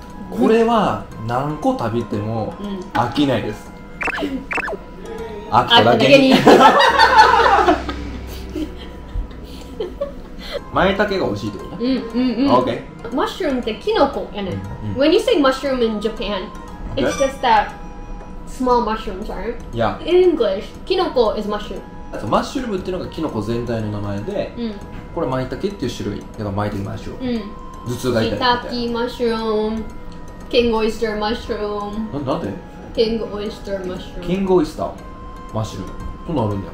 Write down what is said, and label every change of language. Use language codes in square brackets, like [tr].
[ja] これは何個食べても飽きないです。飽きただけに。マイタケが美味しいってことね。 OK。マッシュルームってキノコやね。 [en] When you say mushroom in Japan, it's just that small mushrooms, right? Yeah. In English, キノコ is mushroom. [ja] マッシュルームっていうのがキノコ全体の名前で、これマイタケっていう種類。だからマイタケマッシュルーム。頭痛が痛い。キタキマッシュルーム、キングオイスターマッシュルーム。なんで？キングオイスターマッシュルーム。キングオイスター。マッシュルーム。どうなるんだよ。